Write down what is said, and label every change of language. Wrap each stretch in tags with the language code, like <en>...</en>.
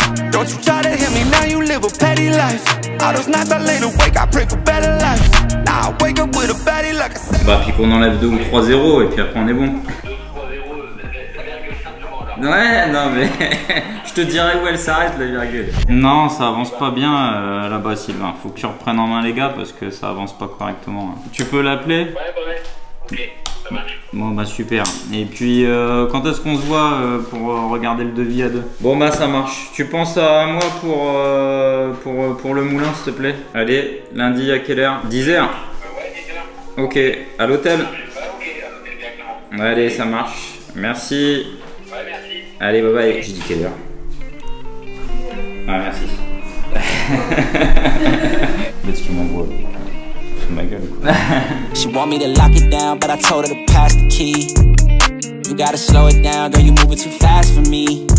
<en>Don't you try to hit me, now you live a petty life. All those nights I laid awake, I pray for better life. Now I wake up with a baddie like a...</en> <fr>Bah puis qu'on enlève 2 ou 3-0 et puis après on est bon. 2-3-0, la virgule s'arrête là. Je te dirai où elle s'arrête, la virgule. Non, ça avance pas bien là-bas, Sylvain. Faut que tu reprennes en main les gars, parce que ça avance pas correctement. Tu peux l'appeler? Ouais, ok, ça marche. Bon bah super. Et puis quand est-ce qu'on se voit pour regarder le devis à deux? Bon bah ça marche. Tu penses à moi pour le moulin, s'il te plaît? Allez, lundi à quelle heure? 10h. Ok, à l'hôtel. Ouais, allez, ça marche. Merci. Ouais, merci. Allez, bye bye. J'ai dit quelle heure? Ah, merci. Qu'est-ce que tu m'envoies?</fr> <en>My girl. She want me to lock it down, but I told her to pass the key. You gotta slow it down, girl, you moving too fast for me.</en>